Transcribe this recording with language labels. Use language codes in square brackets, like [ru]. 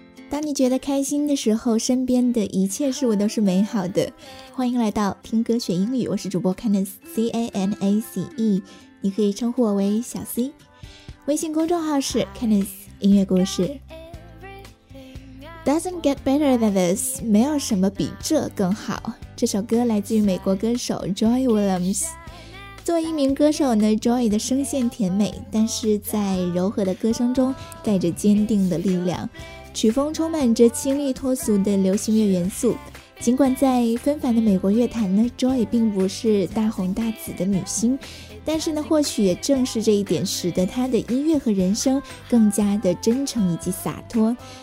[zh] 当你觉得开心的时候，身边的一切事物都是美好的。欢迎来到听歌学英语，我是主播 Canace C-A-N-A-C-E， 你可以称呼我为小 C。微信公众号是 Canace 音乐故事。 [en] Doesn't get better than this， [zh] 没有什么比这更好。这首歌来自于美国歌手 Joy Williams。作为一名歌手呢， Joy 的声线甜美，但是在柔和的歌声中带着坚定的力量，曲风充满着清丽脱俗的流行乐元素。尽管在纷繁的美国乐坛呢， Joy 并不是大红大紫的女星，但是呢，或许也正是这一点使得她的音乐和人生更加的真诚以及洒脱。